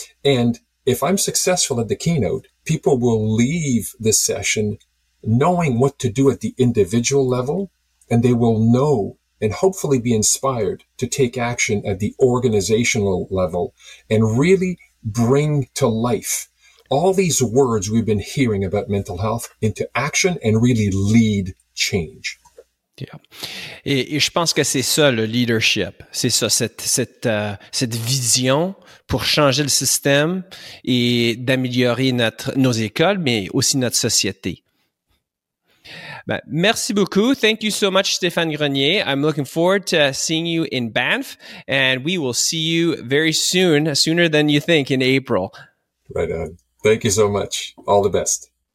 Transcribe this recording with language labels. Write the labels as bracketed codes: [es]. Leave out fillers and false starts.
[en] And if I'm successful at the keynote, people will leave the session knowing what to do at the individual level, and they will know and hopefully be inspired to take action at the organizational level and really bring to life all these words we've been hearing about mental health into action and really lead change. Yeah. [fr] Et je pense que c'est ça le leadership, c'est ça cette vision pour changer le système et d'améliorer nos écoles mais aussi notre société. Ben, merci beaucoup. [en] Thank you so much, Stéphane Grenier. I'm looking forward to seeing you in Banff, and we will see you very soon, sooner than you think, in April. Right on. Thank you so much. All the best.